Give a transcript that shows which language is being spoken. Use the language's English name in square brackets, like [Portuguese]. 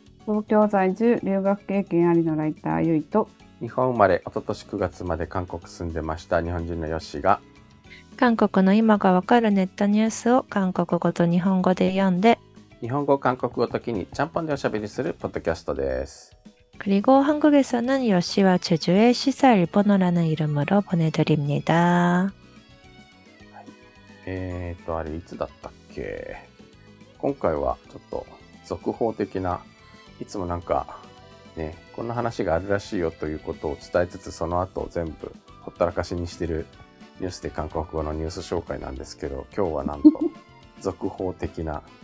[Japanese] 東京在住留学経験ありのライターユイと、日本生まれ一昨年9月まで韓国住んでました日本人のヨッシーが、韓国の今がわかるネットニュースを韓国語と日本語で読んで、日本語韓国語ときにちゃんぽんでおしゃべりするポッドキャストです。 [Korean] 그리고한국에서는요시와제주의시사일본어라는이름으로보내드립니다 [Japanese] 아れいつだったっけ今回はちょっと続報的な、いつもなんかね、こんな話があるらしいよということを伝えつつ、その後全部ほったらかしにしてるニュースで韓国語のニュース紹介なんですけど、今日はなんと続報的な。